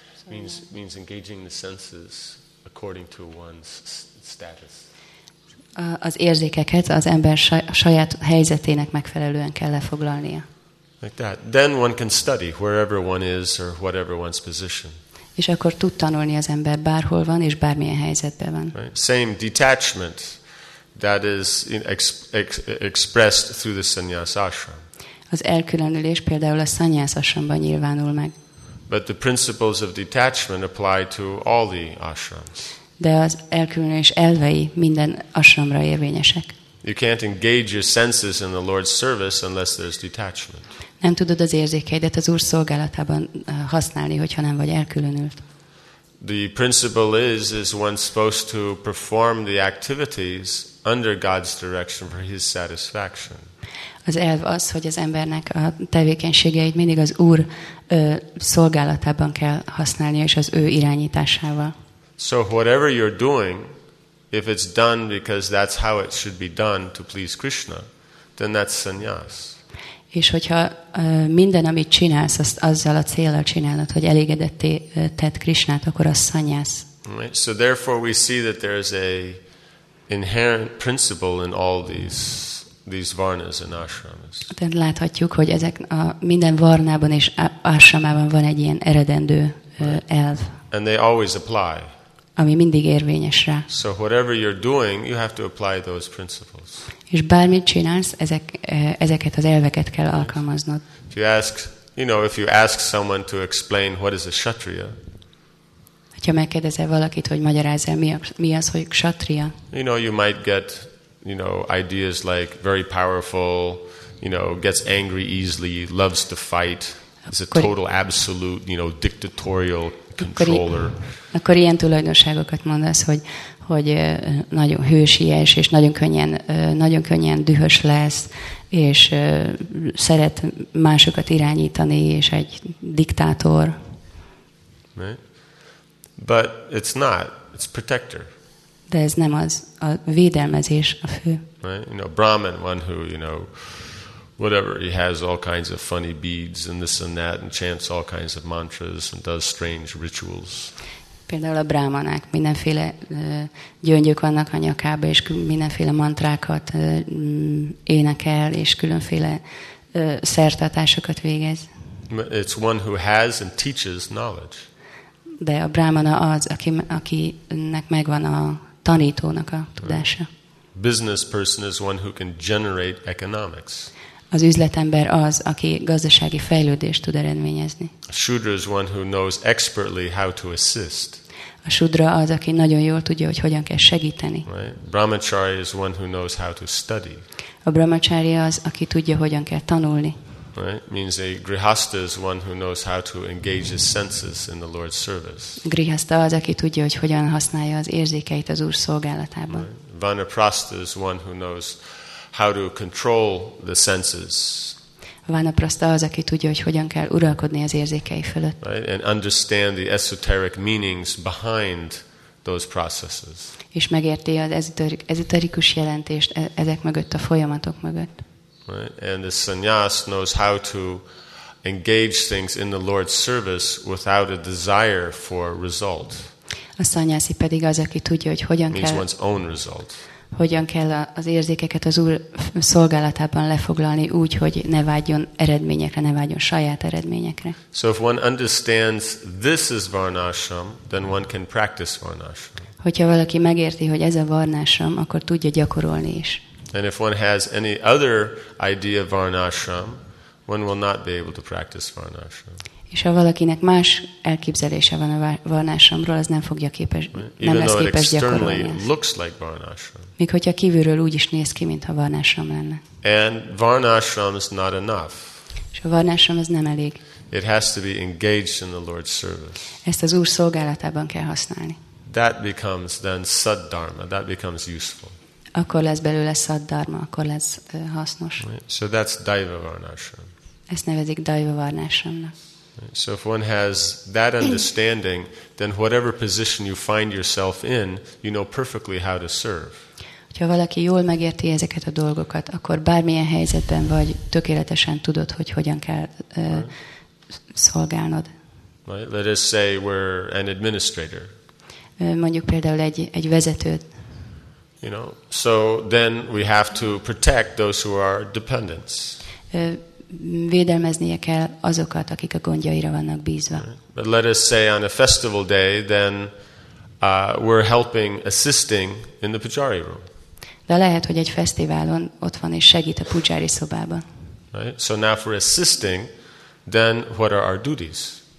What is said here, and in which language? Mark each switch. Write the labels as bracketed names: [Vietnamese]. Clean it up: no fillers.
[English] means engaging the senses according to one's status. [Hungarian] Az érzékeket az ember saját helyzetének megfelelően kell lefoglalnia. [English] Like that. Then one can study wherever one is or whatever one's position. [Hungarian] És akkor tud tanulni az ember bárhol van és bármilyen helyzetben van. [English] Right. Same detachment that is expressed through the sannyasa ashram. [Hungarian] Az elkülönülés például a sannyasa ashramban nyilvánul meg. [English] But the principles of detachment apply to all the ashrams. [Hungarian] De az elkülönülés elvei minden ashramra érvényesek. [English] You can't engage your senses in the Lord's service unless there's detachment. [Hungarian] Nem tudod az érzékeidet az Úr szolgálatában használni, hogyha nem vagy elkülönült. [English] The principle is one supposed to perform the activities under God's direction for his satisfaction. [Hungarian] Az elv az, hogy az embernek a tevékenységeit mindig az Úr szolgálatában kell használnia és az ő irányításával. [English] So whatever you're doing, if it's done because that's how it should be done to please Krishna, then that's sannyas. [Hungarian] És hogyha minden, amit csinálsz, azt azzal a céllal csinálod, hogy elégedetté tedd Krishnát, akkor az sannyas. [English] Right. So therefore we see that there is a inherent principle in all these varnas and ashramas. [Hungarian] Tehát láthatjuk, hogy ezek a minden varnában és ashramában van egy ilyen eredendő elv. [English] And they always apply. [Hungarian] Ami mindig érvényes rá. [English] So whatever you're doing, you have to apply those principles. [Hungarian] És bármit csinálsz, ezeket az elveket kell alkalmaznod. [English] If you ask, you know, if you ask someone to explain what is a kshatriya. [Hungarian] Hogyha megkérdezel valakit, hogy magyarázz el, mi az, hogy kshatriya. [English] You know, you might get, you know, ideas like very powerful, you know, gets angry easily, loves to fight, is a total absolute, you know, dictatorial controller. [Hungarian] Akkor ilyen tulajdonságokat mondasz, hogy nagyon hősies és nagyon könnyen dühös lesz és szeret másokat irányítani és egy diktátor. [English] But it's not. It's protector. [Hungarian] De ez nem az, a védelmezés a fő. [English] Right? You know, Brahman, one who, you know, whatever, he has all kinds of funny beads and this and that and chants all kinds of mantras and does strange rituals. [Hungarian] Például a brahmanák mindenféle gyöngyök vannak a nyakába és mindenféle mantrákat énekel és különféle szertartásokat végez. [English] It's one who has and teaches knowledge. [Hungarian] De a brahmana az, akinek megvan a tanítónak a tudása. [English] Business person is one who can generate economics. [Hungarian] Az üzletember az, aki gazdasági fejlődést tud eredményezni. [English] A shudra is one who knows expertly how to assist. [Hungarian] A shudra az, aki nagyon jól tudja, hogy hogyan kell segíteni. [English] Right? Brahmachari is one who knows how to study. [Hungarian] A brahmachari az, aki tudja, hogyan kell tanulni. [English] Right? Means a grihasta is one who knows how to engage his senses in the Lord's service. [Hungarian] Grihasta az, aki tudja, hogy hogyan használja az érzékeit az Úr szolgálatában. [English] Right? Vanaprastha is one who knows how to control the senses. [Hungarian] Vanaprastha az, aki tudja, hogy hogyan kell uralkodni az érzékei fölött. [English] Right? And understand the esoteric meanings behind those processes. [Hungarian] És megérti az ezoterikus jelentést ezek mögött, a folyamatok mögött. [English] Right? And the sannyas knows how to engage things in the Lord's service without a desire for result. [Hungarian] A sannyasi pedig az, aki tudja, hogy hogyan [English] means [Hungarian] kell. [English] Means one's own result. [Hungarian] Hogyan kell az érzékeket az Úr szolgálatában lefoglalni úgy, hogy ne vágyjon eredményekre, ne vágyjon saját eredményekre. [English] So if one understands this is varnashram, then one can practice varnashram. [Hungarian] Hogyha valaki megérti, hogy ez a varnashram, akkor tudja gyakorolni is. [English] And if one has any other idea of varnashram, one will not be able to practice varnashram. [Hungarian] És ha valakinek más elképzelése van a varnashramról, az nem fogja képes, nem lesz képes gyakorolni. Még hogyha kívülről úgy is néz ki, mintha varnashram lenne. [English] And varnashram is not enough. [Hungarian] És a varnashram az nem elég. [English] It has to be engaged in the Lord's service. [Hungarian] Ezt az Úr szolgálatában kell használni. [English] That becomes then saddharma. That becomes useful. [Hungarian] Akkor lesz belőle saddharma, akkor lesz hasznos. [English] Right. So that's daiva varnashram. [Hungarian] Ezt nevezik daiva varnashramnak. [English] So if one has that understanding, then whatever position you find yourself in, you know perfectly how to serve. [Hungarian] Ha valaki jól megérti ezeket a dolgokat, akkor bármilyen helyzetben vagy, tökéletesen tudod, hogy hogyan kell szolgálnod. [English] Right? Let us say we're an administrator. [Hungarian] Mondjuk például egy vezetőt. [English] You know, so then we have to protect those who are dependents. [Hungarian] Védelmeznie kell azokat, akik a gondjaira vannak bízva. [English] But let us say on a festival day, then we're helping, assisting in the pujari room. [Hungarian] De lehet, hogy egy fesztiválon ott van és segít a pujári szobában. [English] Right? So now for assisting, then what are our duties?